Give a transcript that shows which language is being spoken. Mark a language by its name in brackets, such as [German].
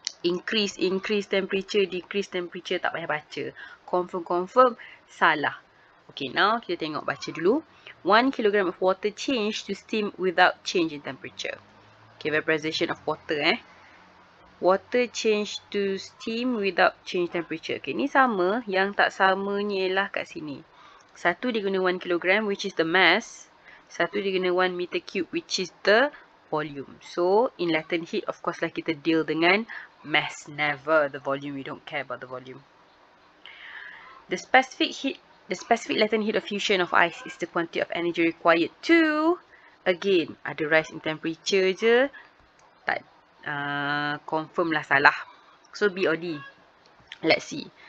[English] Increase temperature, decrease temperature, [Malay] tak payah baca. Confirm, salah. Okay, now kita tengok baca dulu. [English] 1 kilogram of water change to steam without change in temperature. Okay, vaporization of water eh. Water change to steam without change temperature. [Malay] Okay, ni sama. Yang tak sama ni ialah kat sini. Satu dia guna 1 kilogram, [English] which is the mass. [Malay] Satu dia guna 1 meter cube, [English] which is the volume. So, in latent heat, of course lah kita deal dengan mass, never the volume. We don't care about the volume. The specific latent heat of fusion of ice is the quantity of energy required to, again, ada rise in temperature je, [Malay] tak confirm lah salah. [English] So B or D. Let's see.